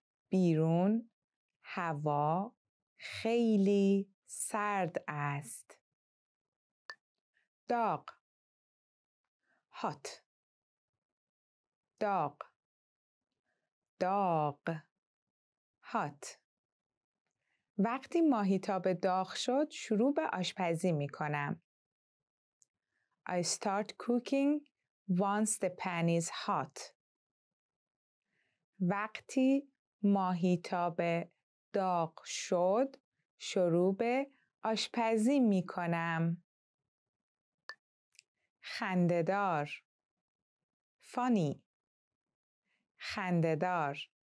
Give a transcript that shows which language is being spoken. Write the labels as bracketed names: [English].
[Persian] بیرون هوا خیلی سرد است. داغ. Hot. داغ. داغ. Hot. وقتی ماهیتاب داغ شد شروع به آشپزی می کنم. [English] I start cooking once the pan is hot. [Persian] وقتی ماهیتاب داغ شد شروع به آشپزی می کنم. خنددار. Funny. خنددار.